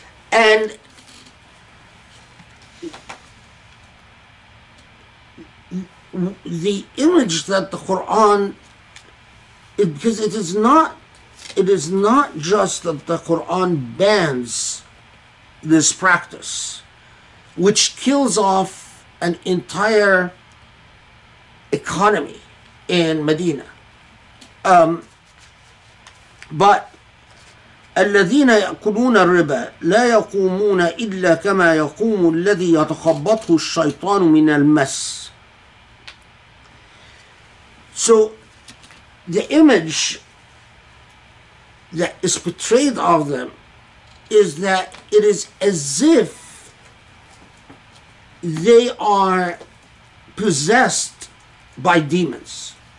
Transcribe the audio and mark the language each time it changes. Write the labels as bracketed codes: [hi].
[en] And the image that the Quran, because it is not just that the Quran bans this practice, which kills off an entire economy in Medina. [ar] But الذين يأكلون الربا لا يقومون إلا كما يقوم الذي يتخبطه الشيطان من المس. [en] So the image that is portrayed of them is that it is as if they are possessed by demons.